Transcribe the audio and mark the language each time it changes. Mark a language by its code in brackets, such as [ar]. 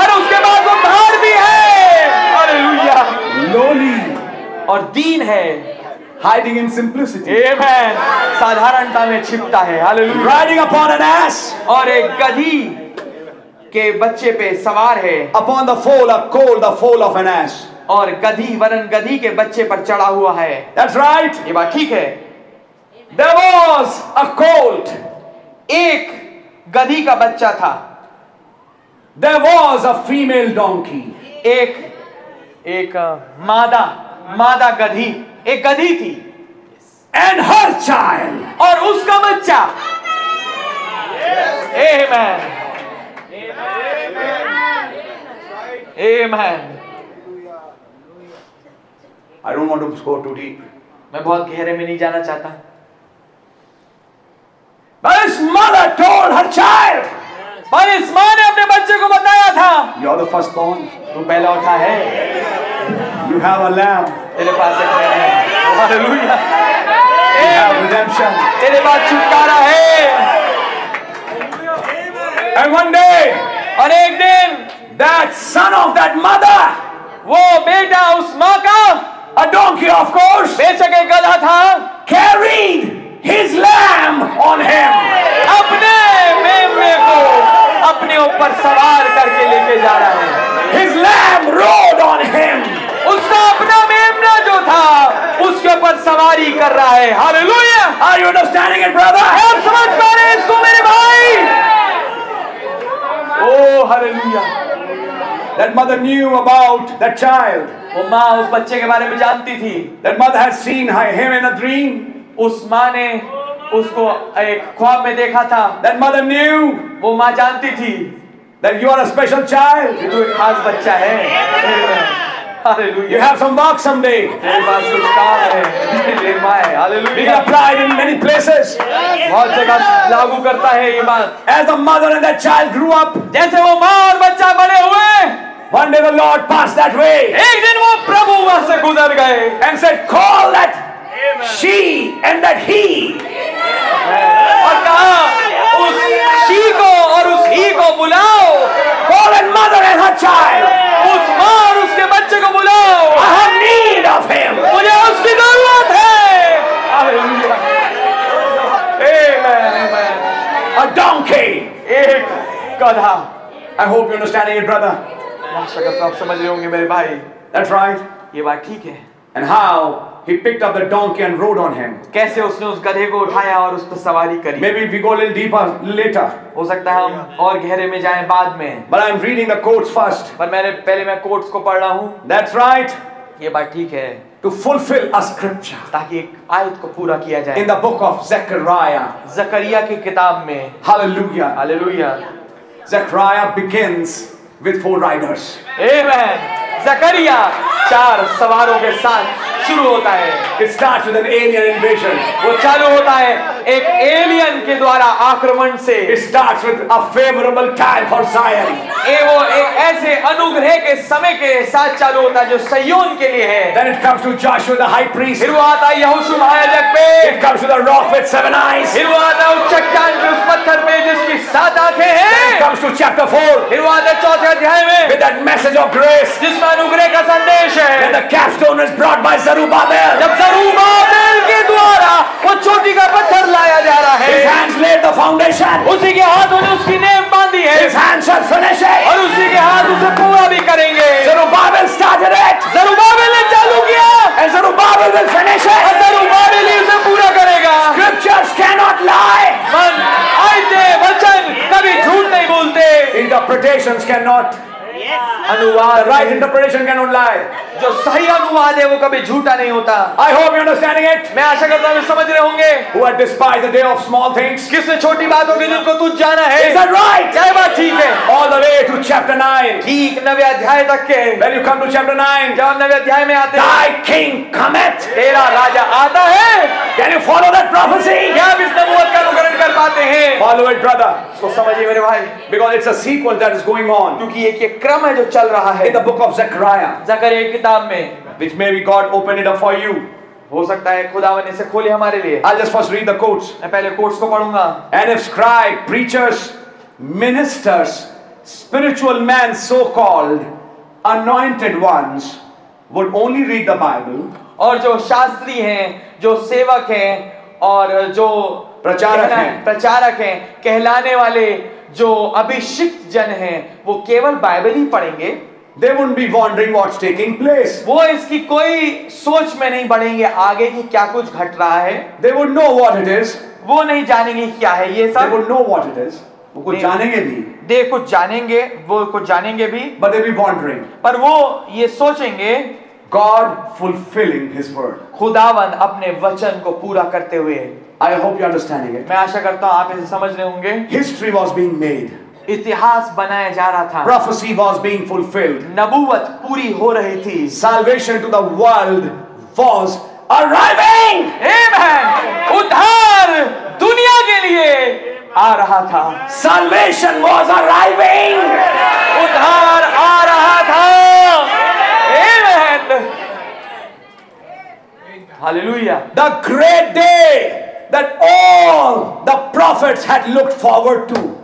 [hi] पर उसके पास उद्धार भी है. Hallelujah. [en] Lowly. [hi] और दीन है. [en] Hiding in simplicity. [hi] Amen. साधारणता में छिपता है. Hallelujah. [en] Riding upon an ass. [hi] और एक गधी के बच्चे पे सवार है. [en] Upon the foal, a colt, the foal of an ass. [hi] और गधी वरन गधी के बच्चे पर चढ़ा हुआ है. [en] That's right. [hi] ये बात ठीक है. [en] There was a colt. [hi] एक गधी का बच्चा था. [en] There was a female donkey. [hi] एक मादा गधी. एक गधी थी. [en] And her child. [hi] और उसका बच्चा. [en] Amen. Amen. I don't want to go too deep. [hi] मैं बहुत गहरे में नहीं जाना चाहता. [en] But his mother told her child. [hi] पर इस माँ ने अपने बच्चे को बताया था. [en] You are the firstborn. [hi] तू पहला उठा है. [en] You have a lamb. [hi] तेरे पास एक लैम है. [en] Hallelujah. You have redemption. [hi] तेरे पास छुटकारा है. [en] And one day. [hi] और एक दिन. [en] That son of that mother. [hi] वो बेटा उस माँ का. [en] A donkey, of course. [hi] बेचक एक गधा था. [en] Carried his lamb on him. [hi] अपने मेमने को अपने ऊपर सवार करके लेके जा रहा है. [en] His lamb rode on him. [hi] उसका अपना मेमना जो था उसके ऊपर सवारी कर रहा है. [en] Hallelujah. Are you understanding it, brother? [hi] आप समझ पा रहे हैं इसको मेरे भाई? [en] Oh, hallelujah. That mother knew about that child. [hi] वो माँ उस बच्चे के बारे में जानती थी. [en] That mother had seen him in a dream. [hi] उस माँ ने उसको एक ख्वाब में देखा था. [en] That mother knew. [hi] वो माँ जानती थी. [en] That you are a special child. [hi] कि तू एक खास बच्चा है. Hallelujah. [en] You have some marks someday. [hi] तेरे पास कुछ काम है. Hallelujah. [en] It applied in many places. [hi] बहुत जगह लागू करता है ये बात. [en] As the mother and that child grew up. [hi] जैसे वो माँ और बच्चा बड़े हुए. [en] One day the Lord passed that way. [hi] एक दिन वो प्रभु वहाँ से गुजर गए. [en] And said, call that she and that he. [hi] और कहा उस [en] she [hi] को और उस [en] he [hi] को बुलाओ. [en] Call that mother and her child. [hi] उस माँ और उसके बच्चे को बुलाओ. [en] I have need of him. [hi] मुझे उसकी जरूरत है. [en] Amen. A donkey. [hi] एक गधा. [en] I hope you're understanding it, brother. [hi] आप समझ रहे होंगे मेरे भाई. [en] That's right. [hi] ये बात ठीक है. [en] And how he picked up the donkey and rode on him. [hi] कैसे उसने उस गधे को उठाया और उस पर सवारी करी. [en] Maybe we go a little deeper later. [hi] हो सकता है हम और गहरे में जाएं बाद में. [en] But I'm reading the quotes first. [hi] पर मैंने पहले मैं quotes को पढ़ रहा हूँ. [en] That's right. [hi] ये बात ठीक है. [en] To fulfill a scripture. [hi] ताकि एक आयत को पूरा किया जाए. [en] In the book of Zechariah. [hi] Zakaria की किताब में. [en] Hallelujah. Hallelujah. Zechariah begins. With four riders. Amen. [hi] Zechariah, चार सवारों के साथ शुरू होता है. [en] It starts with an alien invasion. [hi] वो चालू होता है एक alien के द्वारा आक्रमण से. [en] It starts with a favorable time for Zion. [hi] ये वो एक ऐसे अनुग्रह के समय के साथ चालू होता है जो सय्योन के लिए है. [en] Then it comes to Joshua the high priest. [hi] फिर वो आता है यहोशू महायाजक पे. [en] It comes to the rock with seven eyes. [hi] फिर वो आता है उस चट्टान पे उस पत्थर पे जिसकी सात आंखें हैं. [en] Then it comes to chapter 4. [hi] फिर वो आता है चौथे अध्याय में. [en] With that message of grace. [hi] जिसमें अनुग्रह का संदेश है. [en] Then the capstone is brought by Zerubbabel. [hi] जब Zerubbabel के द्वारा वो चोटी का पत्थर लाया जा रहा है. [en] His hands laid the foundation. [hi] उसी के हाथों ने उसकी नेम बांधी है. [en] His hands shall finish it. [hi] और उसी के हाथ उसे पूरा भी करेंगे. [en] Zerubbabel started it. [hi] Zerubbabel ने चालू किया. [en] And Zerubbabel will finish it. [hi] और Zerubbabel ही उसे पूरा करेगा. [en] Scriptures cannot lie. [hi] मन आयते वचन कभी झूठ नहीं बोलते. [en] Interpretations cannot. [hi] अनुवाद. [en] The right interpretation cannot lie. [hi] जो सही अनुवाद है वो कभी झूठा नहीं होता. [en] I hope you're understanding it. [hi] मैं आशा करता हूँ समझ रहे होंगे. [en] Who had despised the day of small things? [hi] किसने छोटी बातों के दिन को तुझ जाना है? [en] Is that right? [hi] क्या बात ठीक है? [en] All the way to chapter 9. [hi] ठीक नवे अध्याय तक के. [en] When you come to chapter 9. [hi] जब नवे अध्याय में आते. [en] Thy king cometh. [hi] तेरा राजा आता है. [en] Can you follow that prophecy? [hi] क्या इस नबूवत का अनुकरण कर पाते हैं? [en] Follow it, brother. [hi] तो समझिए मेरे भाई. [en] Because it's a sequence that is going on. [hi] क्योंकि एक क्रम है जो चल रहा है. [en] In the book of Zechariah. [hi] Zakaria की किताब में. [en] Which maybe God opened it up for you. [hi] हो सकता है खुदावन इसे खोले हमारे लिए. [en] I'll just first read the quotes. [hi] मैं पहले quotes को पढूंगा. [en] And if scribes, preachers, ministers, spiritual men, so-called anointed ones, would only read the Bible. [hi] और जो शास्त्री हैं, जो सेवक हैं, और जो प्रचारक हैं, कहलाने वाले जो अभिषिक्त जन हैं, वो केवल बाइबल ही पढ़ेंगे. [en] They wouldn't be wondering what's taking place. [hi] वो इसकी कोई सोच में नहीं बढ़ेंगे आगे कि क्या कुछ घट रहा है. [en] They would know what it is. [hi] वो नहीं जानेंगे क्या है ये सब. [en] They would know what it is. [hi] वो कुछ जानेंगे भी. दे कुछ जानेंगे. वो कुछ जानेंगे भी. [en] But they'll be wondering. [hi] पर वो ये सोचेंगे. [en] God fulfilling His word. [hi] खुदावन अपने वचन को पूरा करते हुए. [en] I hope you're understanding it. [hi] मैं आशा करता हूँ आप इसे समझ रहे होंगे. [en] History was being made. [hi] इतिहास बनाया जा रहा था. [en] Prophecy was being fulfilled. [hi] नबुवत पूरी हो रही थी. [en] Salvation to the world was arriving. Amen. [hi] उद्धार दुनिया के लिए आ रहा था. [en] Salvation was arriving. [hi] उद्धार आ रहा था. Amen. [en] Hallelujah. The great day that all the prophets had looked forward to.